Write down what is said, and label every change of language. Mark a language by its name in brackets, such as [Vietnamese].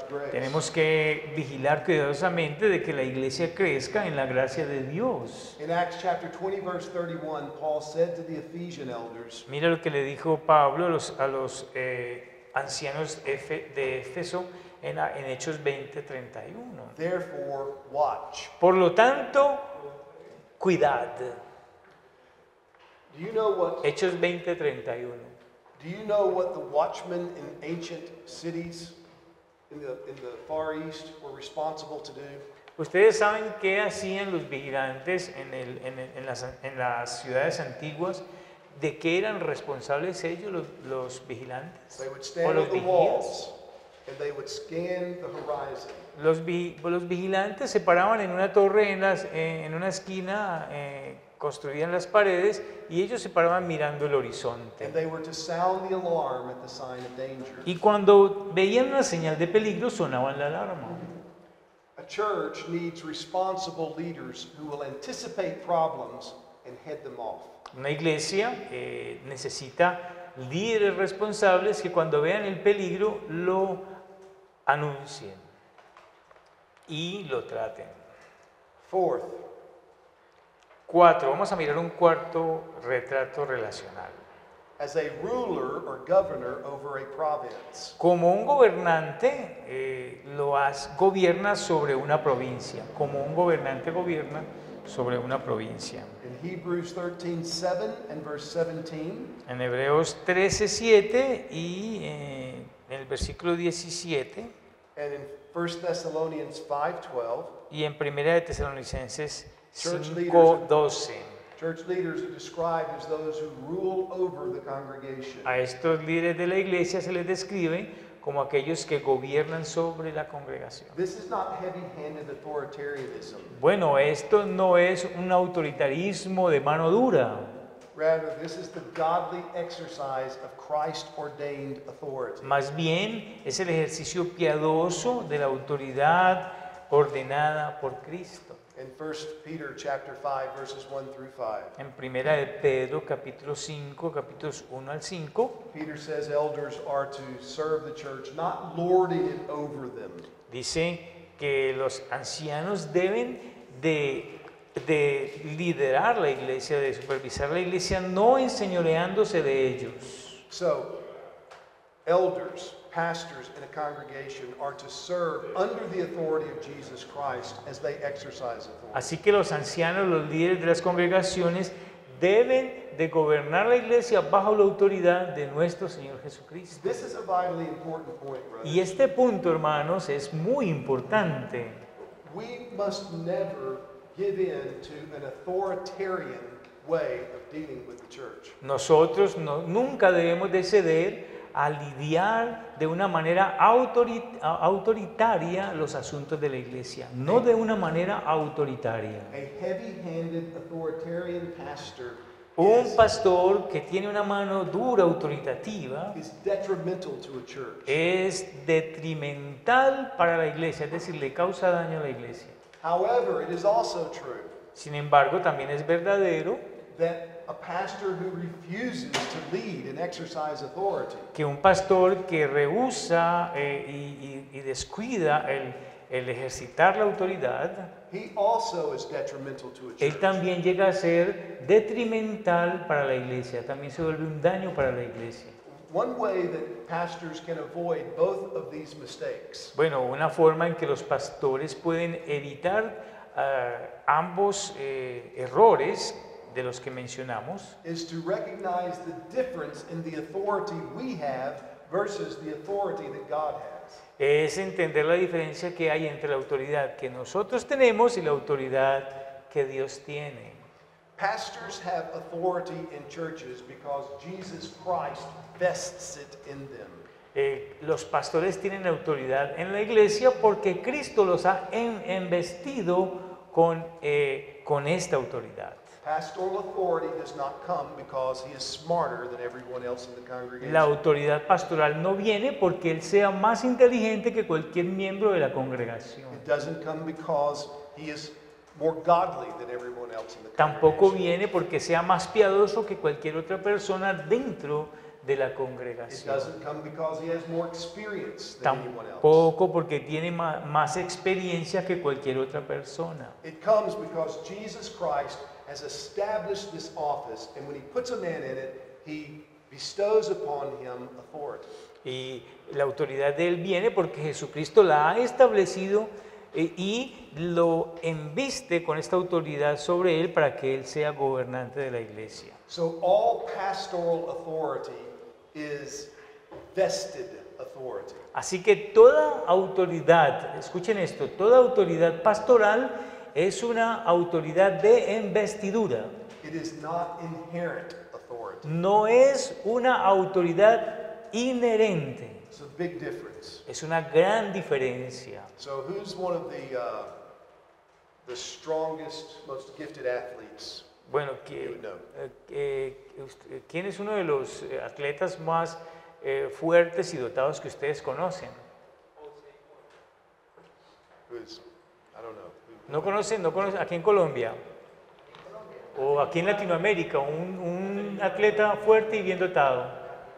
[Spanish] Tenemos que vigilar cuidadosamente de que la iglesia crezca en la gracia de Dios. [English] In Acts chapter 20 verse 31, Paul said to the Ephesian elders. [Spanish] Mira lo que le dijo Pablo a los ancianos de Éfeso. En Hechos 20:31. [English] Therefore, watch. [Spanish] Por lo tanto, cuidad. [English] Do you know what? [Spanish] Hechos 20:31. [English] Do you know what the watchmen in ancient cities in the Far East were responsible to do? [Spanish] ¿Ustedes saben qué hacían los vigilantes en las ciudades antiguas? ¿De qué eran responsables ellos los vigilantes? [English] They would stand on the walls. And they would scan the horizon. [Spanish] Los vigilantes se paraban en una torre en una esquina, construían las paredes y ellos se paraban mirando el horizonte. [English] And they were to sound the alarm at the sign of danger. [Spanish] Y cuando veían una señal de peligro, sonaban la alarma. [English] A church needs responsible leaders who will anticipate problems and head them off. [Spanish] Una iglesia necesita líderes responsables que cuando vean el peligro lo anuncien y lo traten. [English] Fourth. [Spanish] Cuatro, vamos a mirar un cuarto retrato relacional. [English] As a ruler or governor over a province. [Spanish] Como un gobernante gobierna sobre una provincia. Como un gobernante gobierna sobre una provincia. [English] In Hebrews 13, 7 and verse 17. [Spanish] En Hebreos 13:7 y en el versículo 17. [English] And in 1 Thessalonians 5:12. [Spanish] Y en Primera de Tesalonicenses 5:12. [English] Church leaders are described as those who rule over the congregation. [Spanish] A estos líderes de la iglesia se les describe como aquellos que gobiernan sobre la congregación. [English] This is not heavy-handed authoritarianism. [Spanish] Bueno, esto no es un autoritarismo de mano dura. [English] Rather, this is the godly exercise of Christ-ordained authority. [Spanish] Más bien, es el ejercicio piadoso de la autoridad ordenada por Cristo. [English] In 1 Peter chapter 5 verses 1 through 5. [Spanish] En Primera de Pedro capítulo 5, capítulos 1 al 5. [English] Peter says elders are to serve the church, not lording it over them. [Spanish] Dice que los ancianos deben de liderar la iglesia, de supervisar la iglesia, no enseñoreándose de ellos. [English] So, elders, pastors in a congregation are to serve under the authority of Jesus Christ as they exercise authority. [Spanish] Así que los ancianos, los líderes de las congregaciones, deben de gobernar la iglesia bajo la autoridad de nuestro Señor Jesucristo. [English] This is a vitally important point, brother. [Spanish] Y este punto, hermanos, es muy importante. [English] We must never give in to an authoritarian way of dealing with the church. [Spanish] Nosotros no, nunca debemos de ceder a lidiar de una manera autoritaria los asuntos de la iglesia, no de una manera autoritaria. [English] A heavy-handed authoritarian pastor, [Spanish] un pastor que tiene una mano dura, autoritativa, [English] is detrimental to a church. [Spanish] Es detrimental para la iglesia, es decir, le causa daño a la iglesia. [English] However, it is also true. [Spanish] Sin embargo, también es verdadero [English] that a pastor who refuses to lead and exercise authority, [Spanish] que un pastor que rehúsa y descuida el ejercitar la autoridad, [English] he also is detrimental to a church. [Spanish] Él también llega a ser detrimental para la iglesia, también se vuelve un daño para la iglesia. [English] One way that pastors can avoid both of these mistakes. [Spanish] Bueno, una forma en que los pastores pueden evitar ambos errores de los que mencionamos [English] is to recognize the difference in the authority we have versus the authority that God has. [Spanish] Es entender la diferencia que hay entre la autoridad que nosotros tenemos y la autoridad que Dios tiene. [English] Pastors have authority in churches because Jesus Christ vests it in them. [Spanish] Los pastores tienen autoridad en la iglesia porque Cristo los ha embestido con esta autoridad. [English] Pastoral authority does not come because he is smarter than everyone else in the congregation. [Spanish] La autoridad pastoral no viene porque él sea más inteligente que cualquier miembro de la congregación. [English] It doesn't come because he is more godly than everyone else in the congregation. [Spanish] Tampoco viene porque sea más piadoso que cualquier otra persona dentro de la congregación. [English] It doesn't come because he has more experience than [Spanish] tampoco [English] anyone else. [Spanish] Tampoco porque tiene más experiencia que cualquier otra persona. [English] It comes because Jesus Christ has established this office, and when he puts a man in it, he bestows upon him authority. [Spanish] Y la autoridad de él viene porque Jesucristo la ha establecido y lo embiste con esta autoridad sobre él para que él sea gobernante de la iglesia. [English] So all pastoral authority is vested authority. [Spanish] Así que toda autoridad, escuchen esto, toda autoridad pastoral es una autoridad de investidura. [English] It is not inherent authority. [Spanish] No es una autoridad inherente. [English] It's a big difference. [Spanish] Es una gran diferencia. [English] So who's one of the strongest, most gifted athletes? [Spanish] Bueno, ¿quién es uno de los atletas más fuertes y dotados que ustedes conocen? [English] Who's, I don't know. [Spanish] No conocen, aquí en Colombia, o aquí en Latinoamérica, un atleta fuerte y bien dotado.